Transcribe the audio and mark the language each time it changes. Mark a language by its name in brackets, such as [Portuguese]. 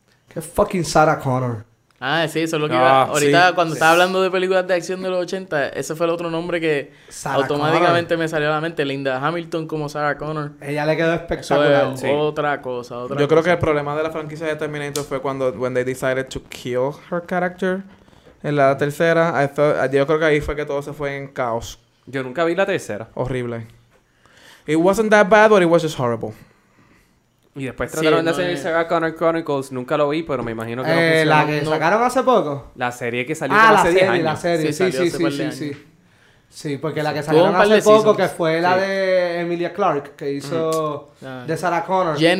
[Spanish] ¿Qué fucking Sarah Connor? Ah, sí, eso es lo que iba... Ahorita, sí, cuando sí. estaba hablando de películas de acción de los 80, ese fue el otro nombre que Sarah automáticamente Connor. Me salió a la mente. Linda Hamilton como Sarah Connor. Ella le quedó espectacular. Eso es sí. otra cosa, otra cosa. Yo creo que el problema de la franquicia de Terminator fue cuando... [English] When they decided to kill her character [Spanish] en la tercera. Yo creo que ahí fue que todo se fue en caos. Yo nunca vi la tercera. Horrible. [English] It wasn't that bad, but it was just horrible. [Spanish] Y después trataron de hacer Sarah Connor Chronicles. Nunca lo vi, pero me imagino que no funcionó. ¿La que sacaron hace poco? La serie que salió hace 10 años. Ah, la serie. Sí. Sí, porque la que salieron hace poco, que fue la de Emilia Clarke, que hizo de Sarah Connor.